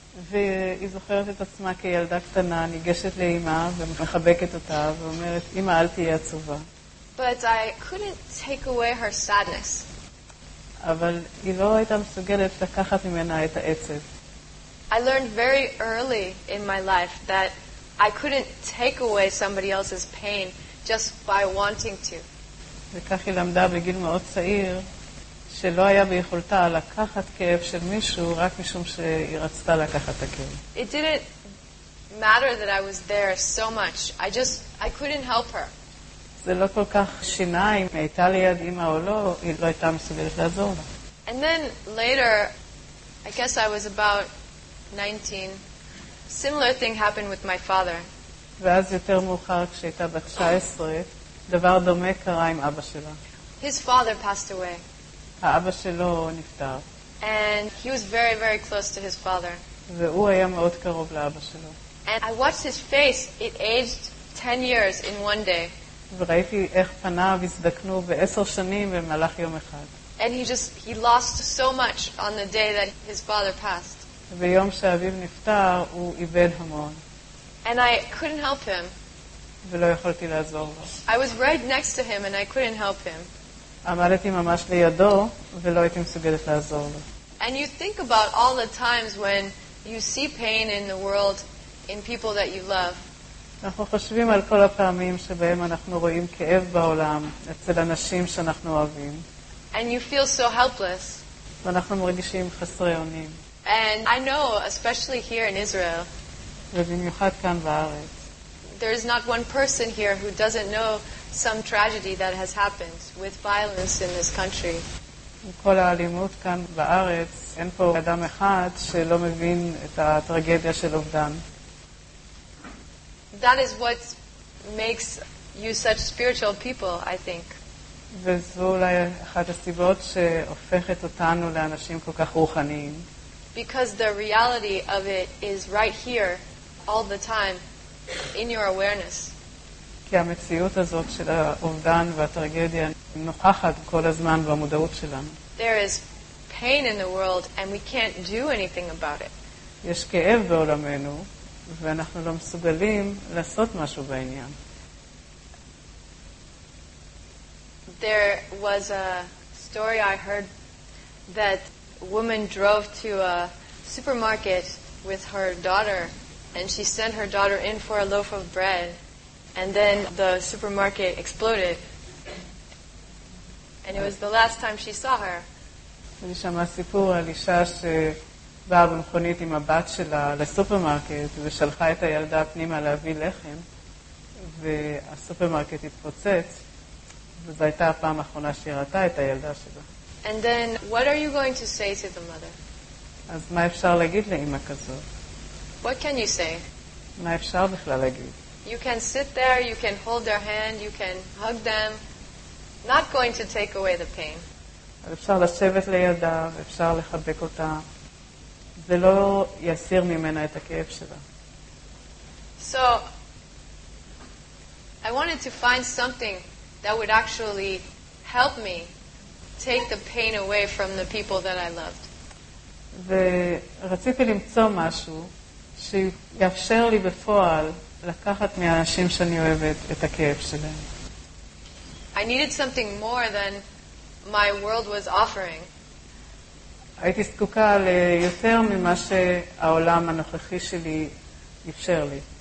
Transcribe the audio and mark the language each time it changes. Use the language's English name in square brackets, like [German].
[Hebrew] והיא זוכרת את עצמה כילדה קטנה, ניגשת לאמא ומחבקת אותה ואומרת, "אמא, אל תהיה עצובה." [English] But I couldn't take away her sadness. [Hebrew] אבל היא לא הייתה מסוגלת לקחת ממנה את העצב. [English] I learned very early in my life that I couldn't take away somebody else's pain just by wanting to. [Hebrew] וכך היא למדה בגיל מאוד צעיר שלא היה ביכולתה לקחת כאב של מישהו רק משום שהיא רצתה לקחת הכאב. [English] It didn't matter that I was there so much. I couldn't help her. [Hebrew] זה לא כל כך שינה אם הייתה לי יד אימא או לא, היא לא הייתה מסוגלת לעזור לה. [English] And then later, I guess I was about 19, similar thing happened with my father. [Hebrew] ואז יותר מאוחר כשהייתה בת 19, דבר דומה קרה עם אבא שלה. [English] His father passed away. [Hebrew] האבא שלו נפטר. [English] And he was very, very close to his father. [Hebrew] והוא היה מאוד קרוב לאבא שלו. [English] And I watched his face. It aged 10 years in one day. [Hebrew] וראיתי איך פניו הזדקנו בעשר שנים במהלך יום אחד. [English] And he lost so much on the day that his father passed. [Hebrew] ביום שאביו נפטר, הוא איבד המון. [English] And I couldn't help him. [Hebrew] ולא יכולתי לעזור לו. [English] I was right next to him and I couldn't help him. [Hebrew] עמדתי ממש לידו ולא הייתי מסוגלת לעזור לו. [English] And you think about all the times when you see pain in the world in people that you love. [Hebrew] אנחנו חושבים על כל הפעמים שבהם אנחנו רואים כאב בעולם אצל אנשים שאנחנו אוהבים. [English] And you feel so helpless. [Hebrew] ואנחנו מרגישים חסרי אונים. [English] And I know, especially here in Israel, [Hebrew] ובמיוחד כאן בארץ, [English] there is not one person here who doesn't know some tragedy that has happened with violence in this country. [Hebrew] כל האלימות כאן בארץ, אין פה אדם אחד שלא מבין את הטרגדיה של אובדן. [English] That is what makes you such spiritual people, I think. [Hebrew] וזו אולי אחת הסיבות שהופכת אותנו לאנשים כל כך רוחניים. [English] Because the reality of it is right here all the time in your awareness. [Hebrew] כי המציאות הזאת של האובדן והטרגדיה נוכחת כל הזמן במודעות שלנו. [English] There is pain in the world and we can't do anything about it. [Hebrew] יש כאב בעולמנו ואנחנו לא מסוגלים לעשות משהו בעניין. [English] There was a story I heard that woman drove to a supermarket with her daughter and she sent her daughter in for a loaf of bread and then the supermarket exploded and it was the last time she saw her. [Hebrew] אני שמעה סיפור על אישה שבאה במכונית עם הבת שלה לסופרמרקט ושלחה את הילדה פנימה להביא לחם והסופרמרקט התפוצץ וזו הייתה הפעם האחרונה שהיא ראתה את הילדה שלה. [English] And then what are you going to say to the mother? [Hebrew] אז מה אפשר להגיד לאמא כזאת? [English] What can you say? [Hebrew] מה אפשר בכלל להגיד? [English] You can sit there, you can hold their hand, you can hug them. Not going to take away the pain. [Hebrew] אפשר לשבת לידה, אפשר לחבק אותה. זה לא יסיר ממנה את הכאב שלה. [English] So I wanted to find something that would actually help me take the pain away from the people that I loved. [Hebrew] ורציתי למצוא משהו שיאפשר לי בפועל לקחת מהאנשים שאני אוהבת את הכאב שלהם. [English] I needed something more than my world was offering. [Hebrew] הייתי זקוקה ליותר ממה שהעולם הנוכחי שלי אפשר לי.